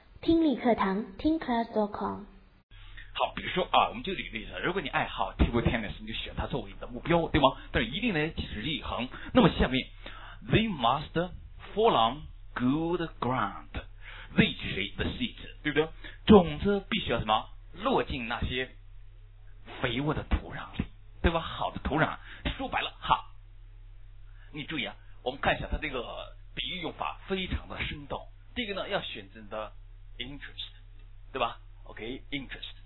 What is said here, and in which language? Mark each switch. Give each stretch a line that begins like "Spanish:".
Chinese: 听力课堂，听 class.com。好，比如说啊，我们就举例子，如果你爱好 table tennis， 你就选它作为你的目标，对吗？但是一定得持之以恒。那么下面
English: ，they must fall on good ground。 they
Chinese: 就是
English: the seeds，
Chinese: 对不对？种子必须要什么？落进那些肥沃的土壤里，对吧？好的土壤，说白了，哈，你注意啊，我们看一下它这个比喻用法非常的生动。第一个呢，要选择的 interest， 对吧 ？OK， interest。